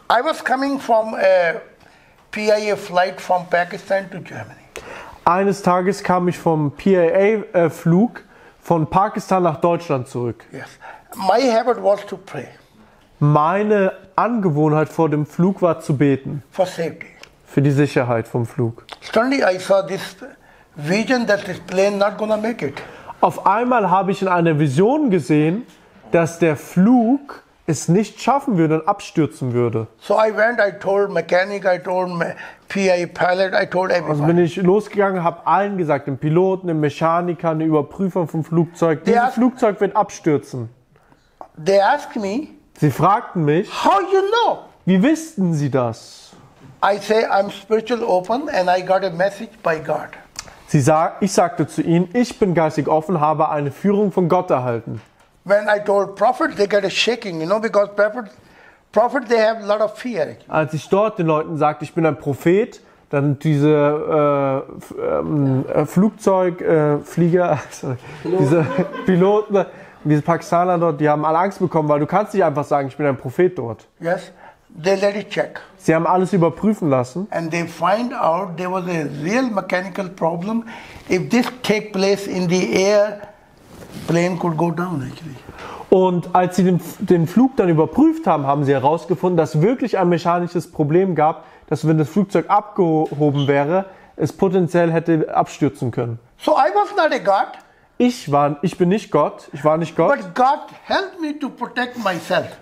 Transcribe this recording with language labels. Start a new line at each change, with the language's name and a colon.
English: I was coming from a PIA flight from Pakistan to Germany.
German: Eines Tages kam ich vom PIA Flug von Pakistan nach Deutschland zurück.
English: Yes. My habit was to pray.
German: Meine Angewohnheit vor dem Flug war zu beten.
English: For safety.
German: Für die Sicherheit vom Flug.
English: Suddenly I saw this vision that this plane not gonna make it.
German: Auf einmal habe ich in einer Vision gesehen, dass der Flug es nicht schaffen würde und abstürzen würde.
English: So I went, I told mechanic, I told PIA pilot, I told everyone.
German: Also bin ich losgegangen, habe allen gesagt, den Piloten, den Mechanikern, den Überprüfern vom Flugzeug, dieses Flugzeug wird abstürzen.
English: They ask me.
German: Sie fragten mich.
English: How you know?
German: Wie wussten Sie das?
English: I say I'm spiritual open and I got a message by God.
German: Sie sagt, ich sagte zu ihnen, ich bin geistig offen, habe eine Führung von Gott erhalten.
English: When I told prophet, they get a shaking, you know, because prophet they have a lot of fear.
German: Als ich dort den Leuten sagte, ich bin ein Prophet, dann diese Flugzeugflieger, diese Piloten, diese Pakistaner dort, die haben alle Angst bekommen, weil du kannst nicht einfach sagen, ich bin ein Prophet dort.
English: Yes. They let it check.
German: Sie haben alles überprüfen lassen.
English: And they find out there was a real mechanical problem. If this take place in the air, plane could go down actually.
German: Und als sie den Flug dann überprüft haben, haben sie herausgefunden, dass wirklich ein mechanisches Problem gab, dass wenn das Flugzeug abgehoben wäre, es potenziell hätte abstürzen können.
English: So I was not a God.
German: Ich war nicht Gott.
English: But God helped me to protect myself.